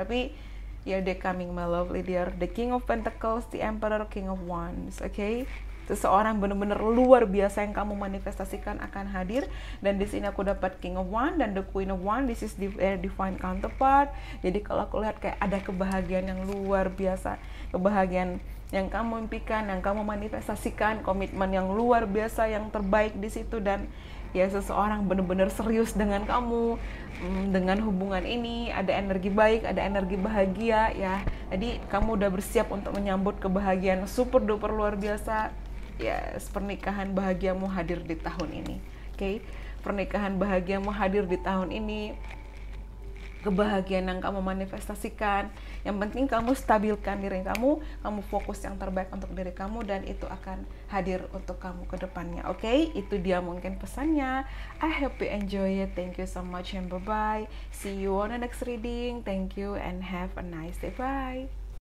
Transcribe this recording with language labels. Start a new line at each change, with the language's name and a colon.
Indonesian: Tapi,
English: yeah, they're coming, my lovely dear. The King of Pentacles, the Emperor, King of Wands. Oke, okay?
Indonesian: Seseorang benar-benar luar biasa yang kamu manifestasikan akan hadir. Dan di sini aku dapat King of Wands dan the Queen of Wands.
English: This is their divine counterpart.
Indonesian: Jadi kalau aku lihat kayak ada kebahagiaan yang luar biasa. Kebahagiaan yang kamu impikan, yang kamu manifestasikan, komitmen yang luar biasa, yang terbaik di situ, dan ya seseorang benar-benar serius dengan kamu, dengan hubungan ini, ada energi baik, ada energi bahagia, ya. Jadi kamu udah bersiap untuk menyambut kebahagiaan super duper luar biasa, ya, yes, pernikahan bahagiamu hadir di tahun ini, oke? Okay? Pernikahan bahagiamu hadir di tahun ini. Kebahagiaan yang kamu manifestasikan, yang penting kamu stabilkan diri kamu, kamu fokus yang terbaik untuk diri kamu, dan itu akan hadir untuk kamu ke depannya. Oke, okay? Itu dia mungkin pesannya.
English: I hope you enjoy it. Thank you so much and bye-bye. See you on the next reading. Thank you and have a nice day. Bye.